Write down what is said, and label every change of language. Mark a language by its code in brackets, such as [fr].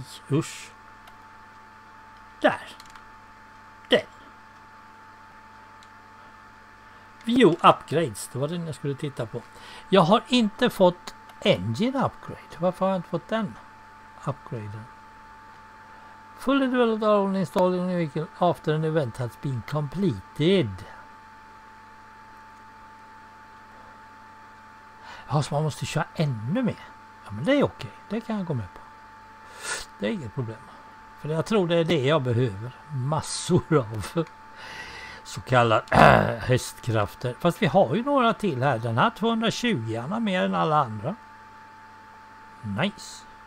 [sv] Usch. Där. Den. [en] View upgrades. [sv] Det var den jag skulle titta på. Jag har inte fått engine upgrade. Varför har jag inte fått den upgraden? [en] Fully developed and installed after an event has been completed. [sv] Ja, så man måste köra ännu mer. Ja, men det är okej. Det kan jag gå med på. Det är inget problem. För jag tror det är det jag behöver. Massor av så kallade höstkrafter. Fast vi har ju några till här. Den här 220-arna mer än alla andra. Nice.